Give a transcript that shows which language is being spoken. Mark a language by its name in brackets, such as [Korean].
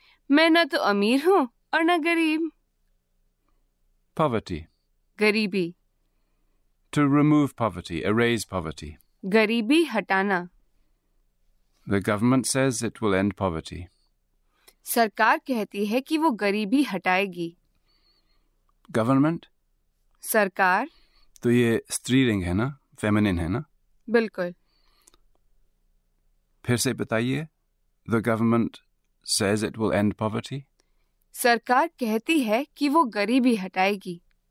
[Hindi] मैं न तो अमीर हूँ और न गरीब। [English] Poverty. [Hindi] गरीबी। [English] To remove poverty, erase poverty. [Hindi] गरीबी हटाना। [English] The government says it will end poverty. [Hindi] सरकार कहती है कि वो गरीबी हटाएगी। [English] Government. [Hindi] सरकार। तो ये स्त्रीलिंग है ना, फेमिनिन है ना? बिल्कुल। फिर से बताइए। [English] The government says it will end poverty. [Hindi] सरकार कहती है कि वो गरीबी हटाएगी।